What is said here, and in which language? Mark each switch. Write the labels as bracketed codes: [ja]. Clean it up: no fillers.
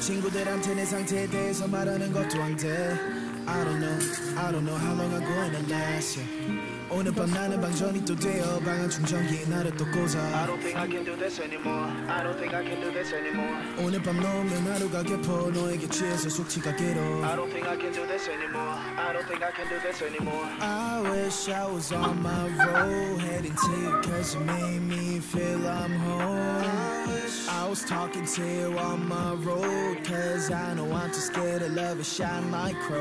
[ko] 친구들한테 내 상태에 대해서 말하는 것도 안 돼. [en] I don't know how long I'm gonna last, yeah. [ko] 오늘 밤 나는 방전이 또 되어 방안 충전기 나를 또 꽂아. [en] I don't think I can do this anymore. I don't think I can do this anymore. [ko] 오늘 밤 넘는 하루가 깊어 너에게 취해서 숙취가 길어. [en] I don't think I can do this anymore. I don't think I can do this anymore. I wish I was on my road heading to you, 'cause you made me feel I'm home. I was talking to you on my road, 'cause I know I'm too scared of love and shine like chrome.